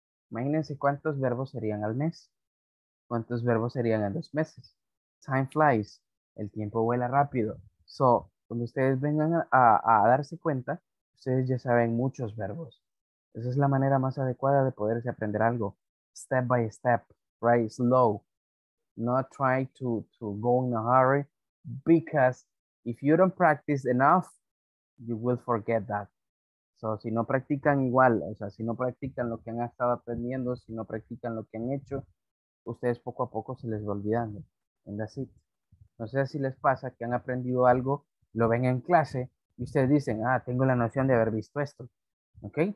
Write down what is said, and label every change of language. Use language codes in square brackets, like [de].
[es] Imagínense cuántos verbos serían al mes. ¿Cuántos verbos serían en 2 meses? [en] Time flies. [es] El tiempo vuela rápido. So, cuando ustedes vengan a darse cuenta, ustedes ya saben muchos verbos. Esa es la manera más adecuada de poderse aprender algo. [en] Step by step, right? Slow. Not try to go in a hurry, because if you don't practice enough, you will forget that. [es] So, si no practican igual, o sea, si no practican lo que han estado aprendiendo, si no practican lo que han hecho, ustedes poco a poco se les va olvidando. [en] And that's it. [es] No sé si les pasa que han aprendido algo, lo ven en clase y ustedes dicen, ah, tengo la noción de haber visto esto. ¿Ok?